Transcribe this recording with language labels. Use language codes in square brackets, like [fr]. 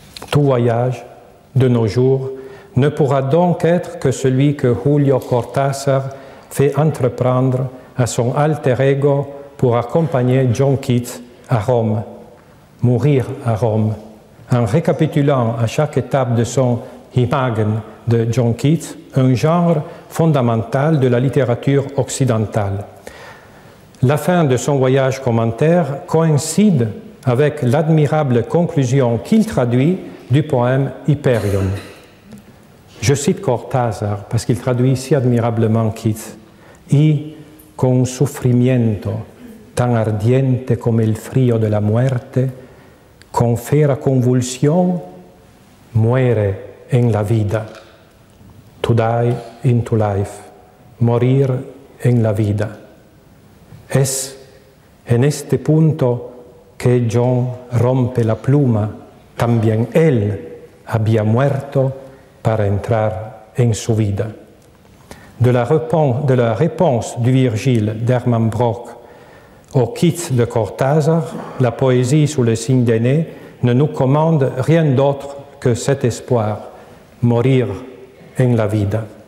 [fr] Tout voyage de nos jours ne pourra donc être que celui que Julio Cortázar fait entreprendre à son alter ego pour accompagner John Keats à Rome, mourir à Rome, en récapitulant à chaque étape de son Imagen de John Keats, un genre fondamental de la littérature occidentale. La fin de son voyage commentaire coïncide avec l'admirable conclusion qu'il traduit du poème Hyperion. Je cite Cortázar parce qu'il traduit si admirablement Keats. [es] Y con sufrimiento tan ardiente come il frío de la muerte, con fera convulsión, muere en la vida. [en] To die into life, [es] morir en la vida. Es en este punto que John rompe la pluma, también él había muerto para entrar en su vida. [fr] De la réponse du Virgile d'Herman Brock au Keats de Cortázar, la poésie sous le signe d'Aîné ne nous commande rien d'autre que cet espoir, mourir [es] en la vida.